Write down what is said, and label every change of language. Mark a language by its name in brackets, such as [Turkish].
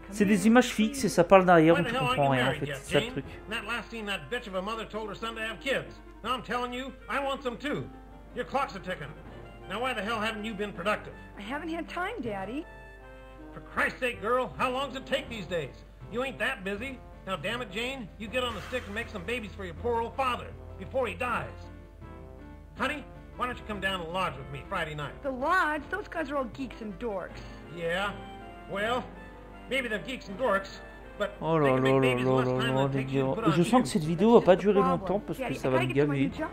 [French] C'est des images fixes et ça parle derrière, on ne comprend rien en fait. [English] Yet, [French] c'est ça, truc. [English] That last scene, that bitch of a mother told her son to have kids. Now I'm telling you, I want some too. Your clocks are ticking. Now why the hell haven't you been productive? I haven't had time, Daddy. For Christ's sake, girl, how long does it take these days? You ain't that busy. Now, damn it, Jane, you get on the stick and make some babies for your poor old father before he dies. Honey, why don't you come down to the lodge with me Friday night? The lodge? Those guys are all geeks and dorks. Yeah, well, maybe they're geeks and dorks, but oh la la la la la la la la la. [French] Je sens que cette vidéo va pas durer longtemps parce que ça va me gaver.